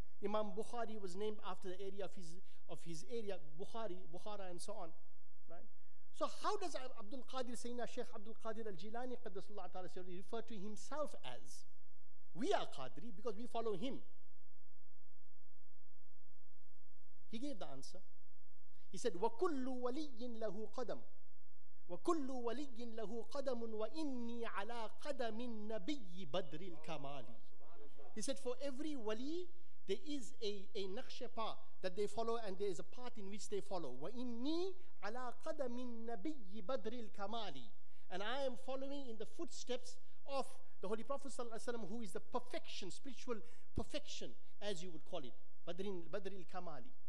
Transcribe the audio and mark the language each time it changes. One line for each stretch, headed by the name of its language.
English: Imam Bukhari was named after the area of his area, Bukhari, Bukhara, and so on. So how does Abdul Qadir Sayyidina Shaykh Abdul Qadir Al-Jilani Qaddasallahu Ta'ala Sayyidina refer to himself as? We are Qadri because we follow him. He gave the answer.
Arabic: He said, وَكُلُّ وَلِيٍّ لَهُ قَدَمٌ وَكُلُّ وَلِيٍّ لَهُ قَدَمٌ وَإِنِّي عَلَىٰ قَدَمِ النَّبِيِّ بَدْرِ الْكَمَالِ.
English: He said, for every wali, there is a naqshepa that they follow, and there is a part in which they follow.
Arabic: وَإِنِّي عَلَىٰ قَدَمِ النَّبِيِّ بَدْرِ الْكَمَالِ.
English: And I am following in the footsteps of the Holy Prophet صلى الله عليه وسلم, who is the perfection, spiritual perfection, as you would call it,
Arabic: بدر الْكَمَالِ.